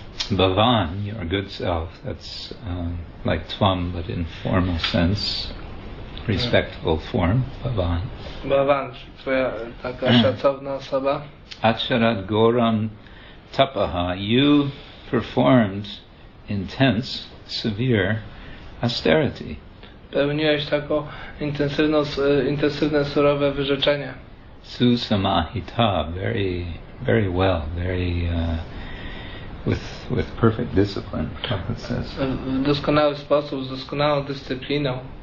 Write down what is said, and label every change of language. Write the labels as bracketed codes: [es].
[en] Bhavan, your good self, that's like Tvam, but in formal sense, respectful form, Bhavan. [pl] Bhavan, twoja taka szacowna osoba. [sa] Acharat Goram Tapaha, [en] you performed intense, severe austerity. [pl] Pełniłeś taką intensywne, surowe wyrzeczenie. [en] Susamahita, very, very well, very with perfect discipline, Prabhupada says. [pl] W doskonały sposób, z doskonałą dyscypliną.